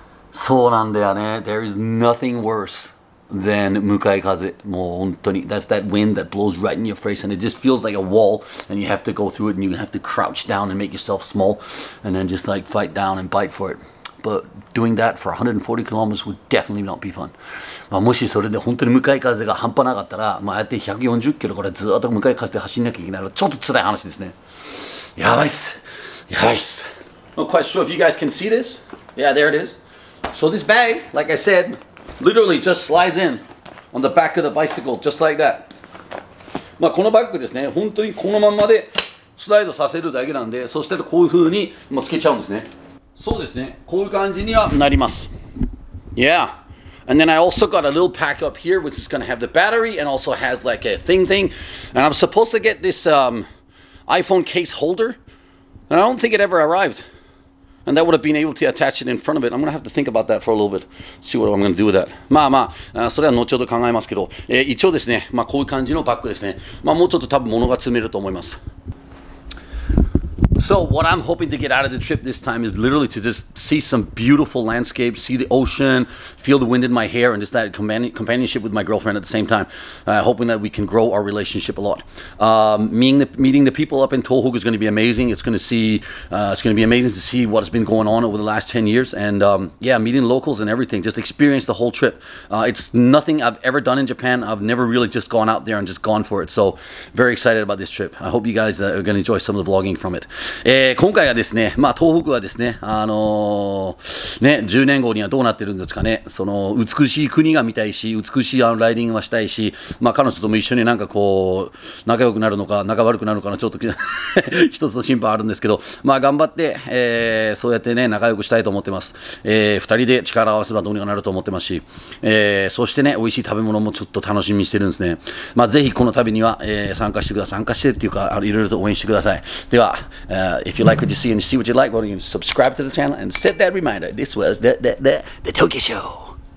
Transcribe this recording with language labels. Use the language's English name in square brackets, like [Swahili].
[Japanese] そうなんだよね。 [English] There is nothing worse. Then, [Japanese] 向かい風、もう本当に、 [English] that's that wind that blows right in your face and it just feels like a wall and you have to go through it and you have to crouch down and make yourself small and then just like fight down and bite for it. But doing that for 140 kilometers would definitely not be fun. [Japanese] まあもしそれで本当に向かい風が半端なかったら、まあやって140キロからずっと向かい風で走んなきゃいけないのはちょっと辛い話ですね。やばいっす。やばいっす。 [English] Not quite sure if you guys can see this. Yeah, there it is. So this bag, like I said,Literally just slides in on the back of the bicycle, just like that. [Japanese] まあこのバッグですね、本当にこのままでスライドさせるだけなんで、そしてこういうふうにもうつけちゃうんですね。そうですね、こういう感じにはなります。 [English] Yeah, and then I also got a little pack up here which is gonna have the battery and also has like a thing. And I'm supposed to get this iPhone case holder, and I don't think it ever arrived. And that would have been able to attach it in front of it. I'm going to have to think about that for a little bit. See what I'm going to do with that. [Japanese] まあまあ、それは後ほど考えますけど、一応ですね、まあこういう感じのバッグですね。まあもうちょっと多分物が積めると思います。 [English] So what I'm hoping to get out of the trip this time is literally to just see some beautiful landscapes, see the ocean, feel the wind in my hair, and just that companionship with my girlfriend at the same time, hoping that we can grow our relationship a lot. Meeting the people up in Tohoku is going to be amazing. It's going to be amazing to see what's been going on over the last 10 years. And yeah, meeting locals and everything, just experience the whole trip. It's nothing I've ever done in Japan. I've never really just gone out there and just gone for it. So very excited about this trip. I hope you guys are going to enjoy some of the vlogging from it. [Japanese] 今回はですね、まあ、東北はですね、ね、10年後にはどうなってるんですかね、その美しい国が見たいし、美しいライディングはしたいし、まあ、彼女とも一緒になんかこう、仲良くなるのか、仲悪くなるのかな、ちょっと一つの心配あるんですけど、まあ、頑張って、そうやってね、仲良くしたいと思ってます、2人で力を合わせればどうにかなると思ってますし、そしてね、美味しい食べ物もちょっと楽しみにしてるんですね、まあ、ぜひこの旅には、参加してください、参加してっていうか、いろいろと応援してください。では [English] If you like what you see and you see what you like, why don't you subscribe to the channel and set that reminder. This was the Tokyo Show.